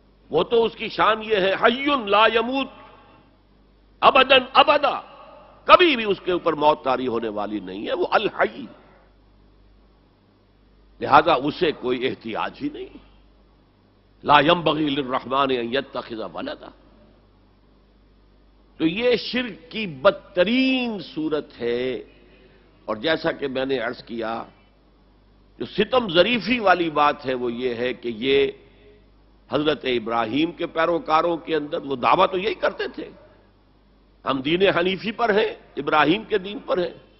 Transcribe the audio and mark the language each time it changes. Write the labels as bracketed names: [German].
[Urdu] وہ تو اس کی شان یہ ہے [Arabic] حی لا یموت ابدا ابدا، [Urdu] کبھی بھی اس کے اوپر موت طاری ہونے والی نہیں ہے، وہ الحی، لہذا اسے کوئی احتیاج ہی نہیں. [Arabic] لا ينبغي للرحمن ان يتخذ ولدا. [Urdu] تو یہ شرک کی بدترین صورت ہے. اور جیسا کہ میں نے عرض کیا، جو ستم ظریفی والی بات ہے وہ یہ ہے کہ یہ حضرت ابراہیم کے پیروکاروں کے اندر وہ دعویٰ تو یہی کرتے تھے، ہم دین حنیفی پر ہیں، ابراہیم کے دین پر ہیں.